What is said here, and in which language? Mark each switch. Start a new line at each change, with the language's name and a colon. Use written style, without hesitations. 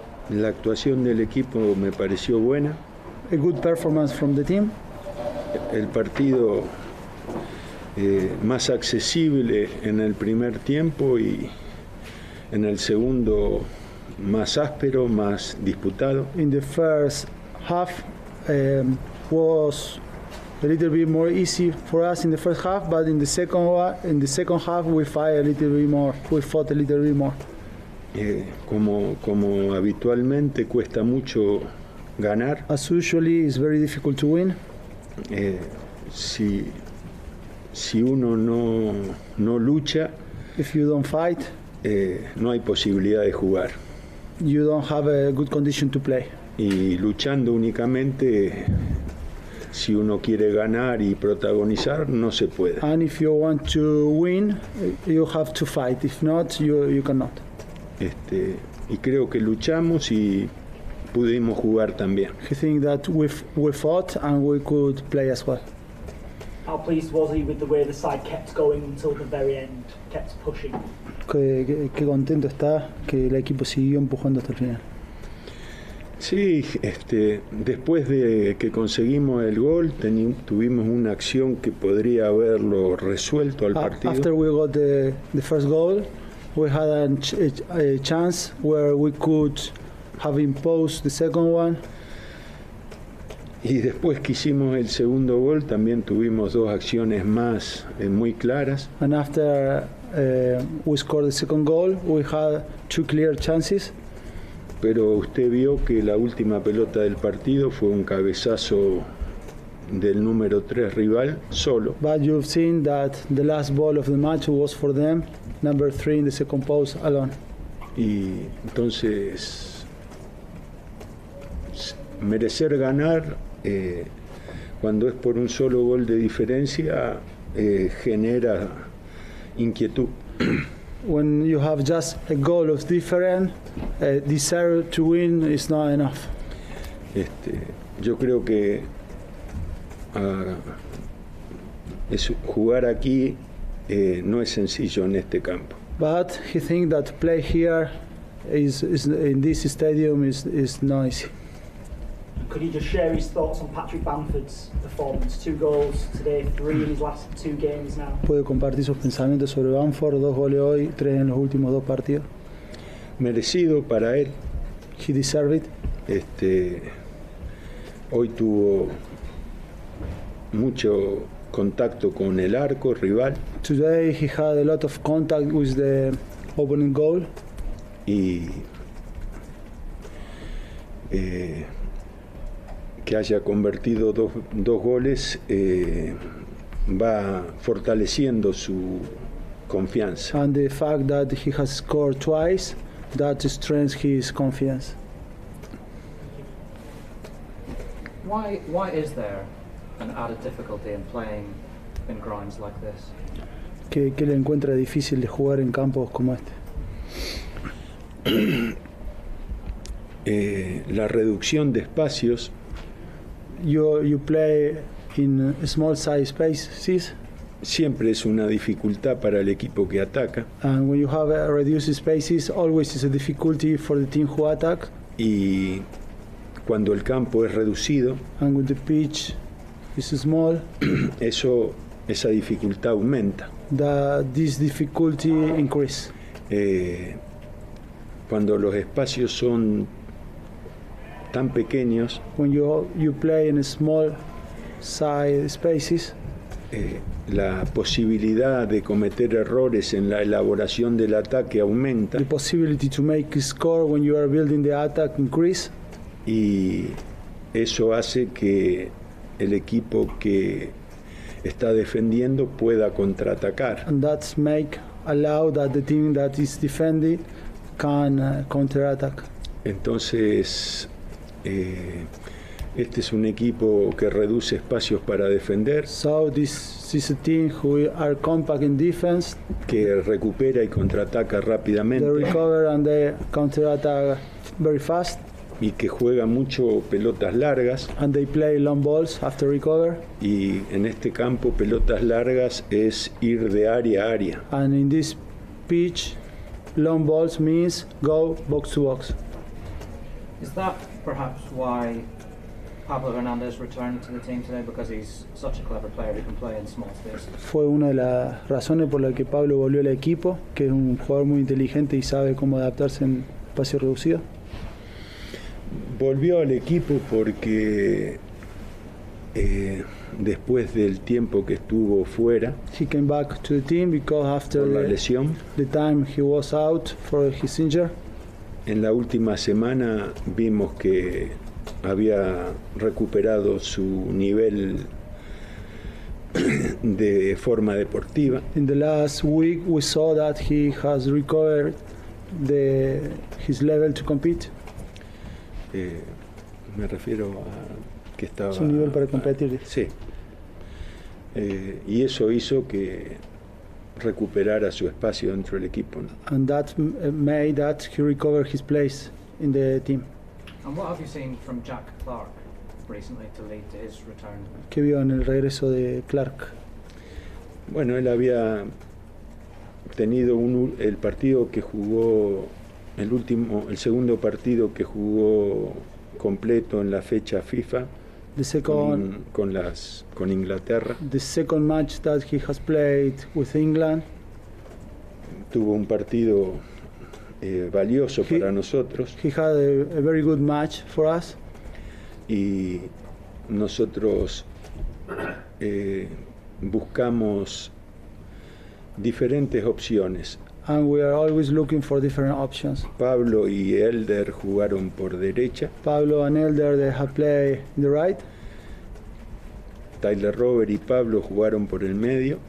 Spanish: La actuación del equipo me pareció buena.
English: A good performance from the team.
Spanish: El partido más accesible en el primer tiempo y en el segundo más áspero, más disputado.
English: In the first half was a little bit more easy for us in the first half, but in the second half we fought a little bit more.
Spanish: Como habitualmente cuesta mucho ganar.
English: As usually it's very difficult to win.
Spanish: Si uno no lucha,
English: if you don't fight,
Spanish: no hay posibilidad de jugar.
English: You don't have a good condition to play.
Spanish: Y luchando únicamente, si uno quiere ganar y protagonizar, no se puede.
English: And if you want to win, you have to fight. If not, you cannot.
Spanish: Y creo que luchamos y pudimos jugar también.
English: He think that we fought and we could play as well. How pleased was he with the way the side kept going until the very end, kept pushing?
Spanish: Qué contento está que el equipo siguió empujando hasta el final. Sí, después de que conseguimos el gol, tuvimos una acción que podría haberlo resuelto al partido.
English: After we got the first goal, we had a chance where we could have imposed the second one.
Spanish: Y después que hicimos el segundo gol, también tuvimos dos acciones más muy claras.
English: And after we scored the second goal, we had two clear chances.
Spanish: Pero usted vio que la última pelota del partido fue un cabezazo del número 3 rival solo.
English: But you've seen that the last ball of the match was for them, number 3 in the second post alone.
Spanish: Y entonces merecer ganar cuando es por un solo gol de diferencia genera inquietud.
English: When you have just a goal of different, desire to win is not enough.
Spanish: Yo creo que es jugar aquí no es sencillo en este campo.
English: But he think that play here is in this stadium is not easy. Could you just share his thoughts on Patrick Bamford's performance? 2 goals today, 3 in his last 2 games now.
Spanish: ¿Puede compartir sus pensamientos sobre Bamford? 2 goles hoy, 3 en los últimos 2 partidos. Merecido para él.
English: He deserved it.
Spanish: Hoy tuvo mucho contacto con el arco rival.
English: Today he had a lot of contact with the opening goal.
Spanish: Y que haya convertido dos goles va fortaleciendo su confianza.
English: And the fact that he has scored twice, that strengthens his confidence. Why is there an added difficulty in playing in grounds like this?
Spanish: ¿Qué le encuentra difícil de jugar en campos como este? La reducción de espacios.
English: You play in small size spaces.
Spanish: Siempre es una dificultad para el equipo que ataca.
English: And when you have reduced spaces, always is a difficulty for the team who attack.
Spanish: Y cuando el campo es reducido,
English: and when the pitch is small,
Spanish: esa dificultad aumenta.
English: This difficulty increase.
Spanish: Cuando los espacios son tan pequeños,
English: when you play in a small side spaces,
Spanish: la posibilidad de cometer errores en la elaboración del ataque aumenta.
English: The possibility to make a score when you are building the attack increase.
Spanish: Y eso hace que el equipo que está defendiendo pueda contraatacar.
English: And that's allow that the team that is defending can counterattack.
Spanish: Entonces este es un equipo que reduce espacios para defender.
English: So this is a team who are compact in defense.
Spanish: Que recupera y contraataca rápidamente.
English: They recover and they counterattack very fast.
Spanish: y que juega mucho pelotas largas.
English: And they play long balls after recover.
Spanish: Y en este campo pelotas largas es ir de área a área.
English: And in this pitch, long balls means go box to box. Is that perhaps why Pablo Hernández returned to the team today, because he's such a clever player, he can play in small spaces?
Spanish: Fue una de las razones por las que Pablo volvió al equipo, que es un jugador muy inteligente y sabe cómo adaptarse en espacio reducido. Volvió al equipo porque después del tiempo que estuvo fuera,
English: he came back to the team because after
Spanish: la lesión,
English: the time he was out for his injury.
Spanish: En la última semana vimos que había recuperado su nivel de forma deportiva.
English: In the last week we saw that he has recovered the his level to compete.
Spanish: Me refiero a que estaba su nivel para competir. Sí. Y eso hizo que recuperara su espacio dentro del equipo, ¿no?
English: And that made that he recover his place in the team. And what have you seen from Jack Clark recently to lead to his return?
Spanish: ¿Qué vio en el regreso de Clark? Bueno, él había tenido el partido que jugó, el segundo partido que jugó completo en la fecha FIFA.
English: The second
Spanish: con Inglaterra.
English: The second match that he has played with England.
Spanish: Tuvo un partido valioso para nosotros.
English: He had a very good match for us.
Spanish: Y nosotros buscamos diferentes opciones.
English: And we are always looking for different options.
Spanish: Pablo y Elder jugaron por derecha.
English: Pablo and Elder, they have played in the right.
Spanish: Tyler Robert y Pablo jugaron por el medio.